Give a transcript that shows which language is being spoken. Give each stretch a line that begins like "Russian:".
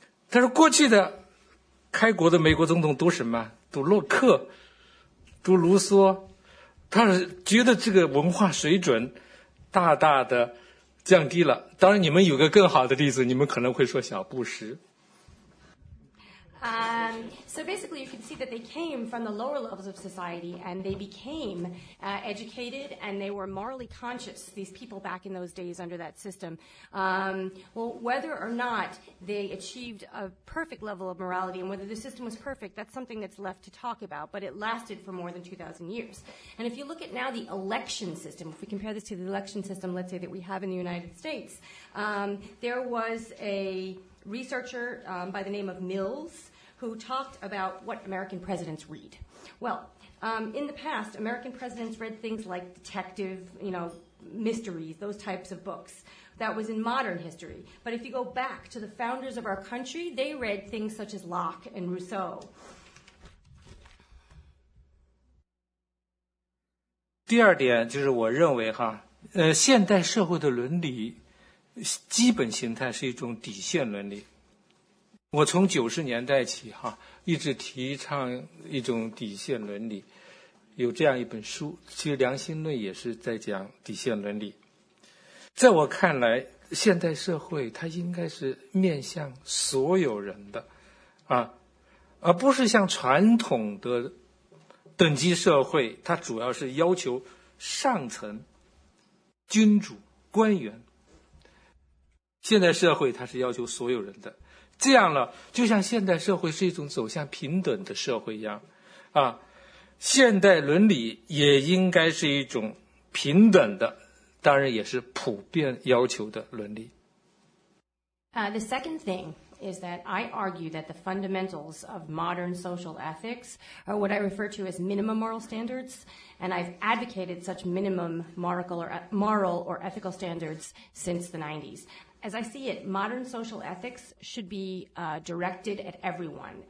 Chinese: 他说过去的开国的美国总统读什么？读洛克，读卢梭。他觉得这个文化水准大大的降低了。当然，你们有个更好的例子，你们可能会说小布什。
English: So basically, you can see that they came from the lower levels of society, and they became educated, and they were morally conscious, these people back in those days under that system. Well, whether or not they achieved a perfect level of morality and whether the system was perfect, that's something that's left to talk about, but it lasted for more than 2,000 years. And if you look at now the election system, if we compare this to the election system, let's say, that we have in the United States, there was a researcher by the name of Mills, who talked about what American presidents read. Well, in the past, American presidents read things like detective, you know, mysteries, those types of books. That was in modern history. But if you go back to the founders of our country, they read things such as Locke and Rousseau.
Chinese: 第二点就是我认为哈，现代社会的伦理基本形态是一种底线伦理。我从90年代起哈，一直提倡一种底线伦理，有这样一本书，其实《良心论》也是在讲底线伦理。在我看来，现代社会它应该是面向所有人的，啊，而不是像传统的等级社会，它主要是要求上层、君主、官员。现代社会它是要求所有人的。这样了，就像现代社会是一种走向平等的社会一样，啊，现代伦理也应该是一种平等的，当然也是普遍要求的伦理。
English: The second thing is that I argue that the fundamentals of modern social ethics are what I refer to as minimum moral standards, and I've advocated such minimum moral or ethical standards since the 90s. As I see it, modern social ethics should be directed at everyone.